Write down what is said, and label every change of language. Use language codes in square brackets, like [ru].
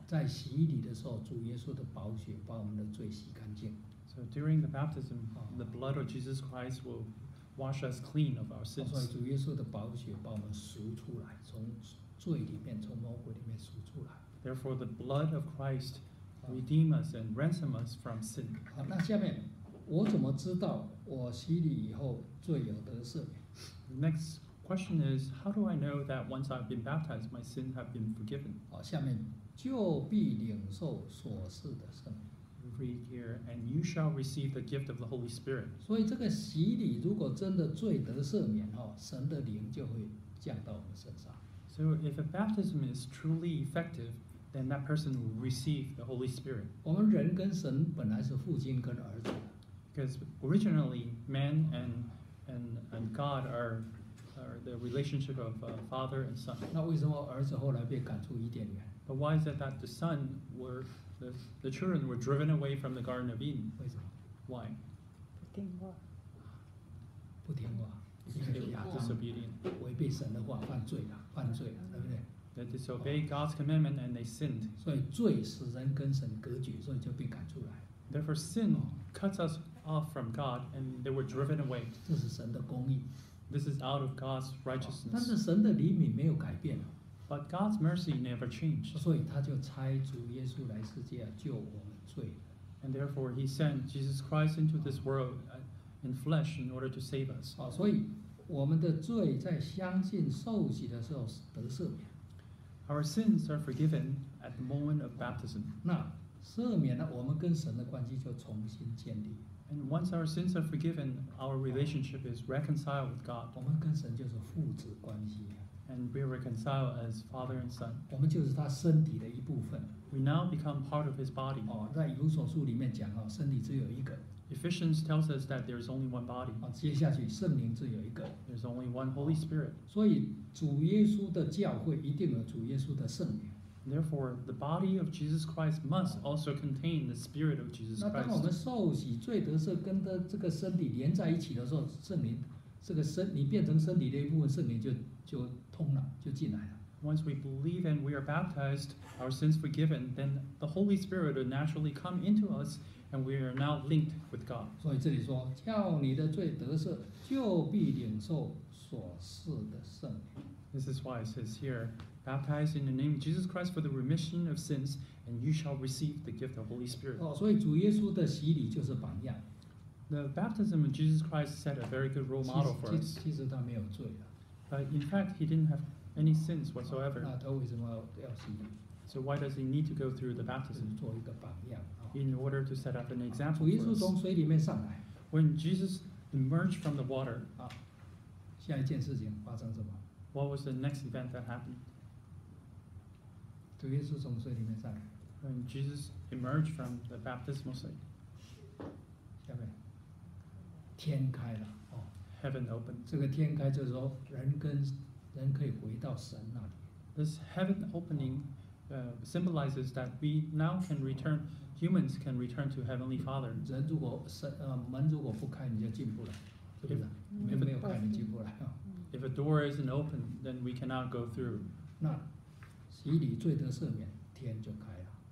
[zh] 在洗礼里的时候，主耶稣的宝血把我们的罪洗干净。 [en] So during the baptism, the blood of Jesus Christ will wash us clean of our sins. [zh] 所以主耶稣的宝血把我们赎出来，从罪里面，从魔鬼里面赎出来。 [en] Therefore, the blood of Christ redeem us and ransom us from sin. [zh] 好，那下面我怎么知道我洗礼以后罪有得赦免 [en] ？Next question is, how do I know that once I've been baptized, my sins have been forgiven? [zh] 好，下面就必领受所赐的圣灵。 [en] Read here, and you shall receive the gift of the Holy Spirit. [zh] 所以这个洗礼如果真的罪得赦免哦，神的灵就会降到我们身上。 [en] So if a baptism is truly effective, then that person will receive the Holy Spirit. [zh] 我们人跟神本来是父亲跟儿子。 [en] Because originally, man and God are the relationship of father and son. [zh] 那为什么儿子后来被赶出伊甸园？ [en] But why is it that the son were the children were driven away from the Garden of Eden? [zh] 为什么？ [en] Why? [zh] 不听话。不听话。 [en] Disobedient. [zh] 违背神的话，犯罪了。犯罪了，对不对 [en] ？They disobeyed God's commandment and they sinned. [zh] 所以罪使人跟神隔绝，所以就被赶出来。 [en] Therefore, sin cuts us off from God, and they were driven away. [zh] 这是神的公义。 [en] This is out of God's righteousness. [zh] 但是神的怜悯没有改变。 [en] But God's mercy never changed. [zh] 所以他就差主耶稣来世界救我们罪。 [en] And therefore, He sent Jesus Christ into this world in flesh in order to save us. [zh] 所以我们的罪在相信受洗的时候得赦免。 [en] Our sins are forgiven at the moment of baptism. [zh] 那赦免了，我们跟神的关系就重新建立。 [en] And once our sins are forgiven, our relationship is reconciled with God. [zh] 我们跟神就是父子关系。 [en] And we reconcile as father and son. [zh] 我们就是他身体的一部分。 [en] We now become part of his body. [zh] 在以弗所书里面讲哦，身体只有一个。 [en] Ephesians tells us that there is only one body. [zh] 接下去圣灵只有一个。 [en] There's only one Holy Spirit. [zh] 所以主耶稣的教会一定有主耶稣的圣灵。 [en] Therefore, the body of Jesus Christ must also contain the Spirit of Jesus Christ. [zh] 那当我们受洗罪得赦跟的这个身体连在一起的时候，圣灵这个身你变成身体的一部分，圣灵就通了，就进来了。 [en] Once we believe and we are baptized, our sins forgiven, then the Holy Spirit will naturally come into us, and we are now linked with God. [zh] 所以这里说，叫你的罪得赦，就必领受所赐的圣灵。 [en] This is why it says here, baptize in the name of Jesus Christ for the remission of sins, and you shall receive the gift of the Holy Spirit. [zh] 所以主耶稣的洗礼就是榜样。 [en] The baptism of Jesus Christ set a very good role model for us. [zh] 其实他没有罪啊。 [en] But in fact, he didn't have any sins whatsoever. [zh] 那他为什么要洗礼？ [en] So why does he need to go through the baptism? [zh] 做一个榜样。 [en] In order to set up an example. [zh] 主耶稣从水里面上来。 [en] When Jesus emerged from the water. [zh] 下一件事情发生什么？ [en] What was the next event that happened? [zh] 主耶稣从水里面上来。 [en] When Jesus emerged from the baptismal site. [zh] 下面，天开了。 [en] Heaven opened. [zh] 这个天开就是说人可以回到神那里。 [en] This heaven opening symbolizes that we now can return, humans can return to Heavenly Father. [zh] 人如果门如果不开，你就进不来，对不对？门没有开，你进不来。 [en] If a door isn't open, then we cannot go through. [zh] 那洗礼罪得赦免，天就开了。